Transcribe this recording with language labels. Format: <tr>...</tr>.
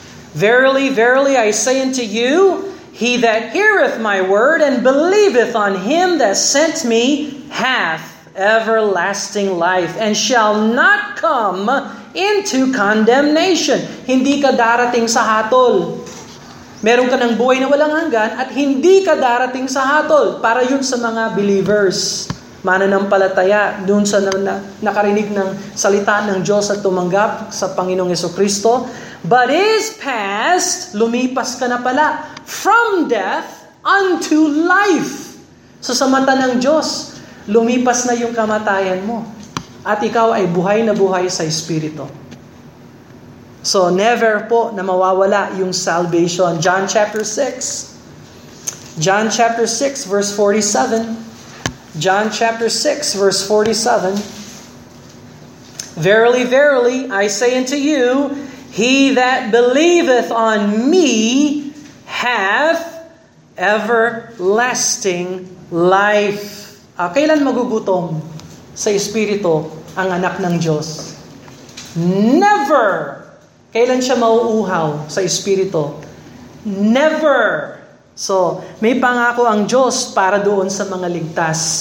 <en>Verily, verily, I say unto you, he that heareth my word and believeth on him that sent me hath everlasting life and shall not come into condemnation.</en> <tl>Hindi ka darating sa hatol. Meron ka ng buhay na walang hanggan at hindi ka darating sa hatol. Para yun sa mga believers, mananampalataya, dun sa nakarinig ng salita ng Diyos at tumanggap sa Panginoong Jesucristo.</tl> <en>But is past,</en> <tl>lumipas ka na pala,</tl> <en>from death unto life.</en> <tl>So sa mata ng Diyos, lumipas na yung kamatayan mo. At ikaw ay buhay na buhay sa Espiritu.</tl> <en>So never</en> <tl>po na mawawala yung</tl> <en>salvation. John chapter 6. John chapter 6 verse 47. John chapter 6 verse 47. Verily, verily, I say unto you, he that believeth on me hath everlasting life.</en> <tl>Kailan magugutom sa Espiritu ang anak ng Diyos? Never! Kailan siya mauuhaw sa Espiritu? Never! So, may pangako ang Diyos para doon sa mga ligtas.</tl>